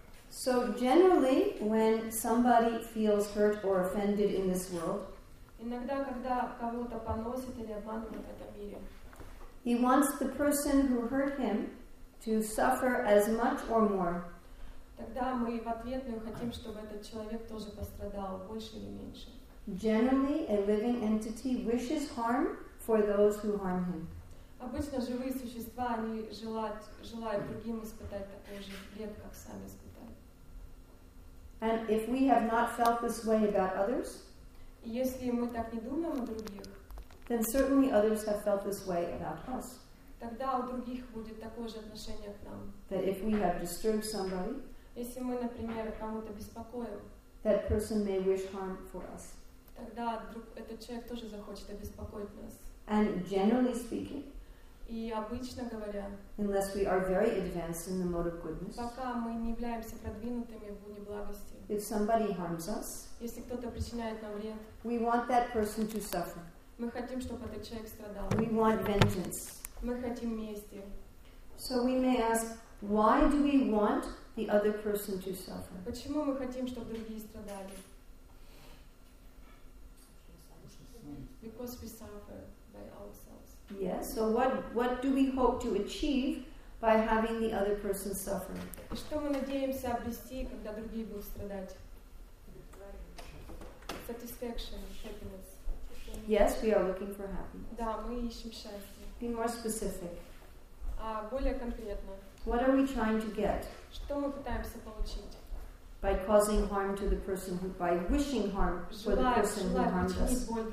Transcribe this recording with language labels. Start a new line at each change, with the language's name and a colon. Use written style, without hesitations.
English: So generally, when somebody feels hurt or offended in this world,
Russian: иногда, когда кого-то поносят или обманывают в этом мире,
English: he wants the person who hurt him to suffer as much or more.
Russian: Тогда мы в ответную хотим, чтобы этот человек тоже пострадал, больше или меньше.
English: Generally, a living entity wishes harm for those who harm him.
Russian: Обычно живые существа, они желают другим испытать такой же вред, как сами испытали.
English: And if we have not felt this way about others,
Russian: если мы так не думаем о других,
English: then certainly others have felt this way about us.
Russian: Тогда у других будет такое же отношение к нам.
English: That if we have disturbed somebody,
Russian: если мы, например, кому-то беспокоим,
English: that person may wish harm for us.
Russian: Тогда вдруг этот человек тоже захочет обеспокоить нас.
English: And generally speaking,
Russian: и обычно говоря,
English: unless we are very advanced in the mode of goodness,
Russian: пока мы не являемся продвинутыми в уни благости,
English: if somebody harms us,
Russian: если кто-то причиняет нам вред,
English: we want that person to suffer.
Russian: Мы хотим, чтобы этот человек страдал.
English: We want vengeance.
Russian: Мы хотим мести.
English: So we may ask, why do we want the other person to suffer?
Russian: Почему мы хотим, чтобы другие страдали?
English: Because we suffer by ourselves. Yes, so what do we hope to achieve by having the other person suffer?
Russian: Что мы надеемся обрести, когда другие будут страдать?
English: Satisfaction, happiness. Yes, we are looking for happiness.
Russian: Да, мы ищем счастье.
English: Be more specific.
Russian: Более конкретно.
English: What are we trying to get?
Russian: Что мы пытаемся получить?
English: by causing harm to the person who, by wishing harm for the person who harmed us.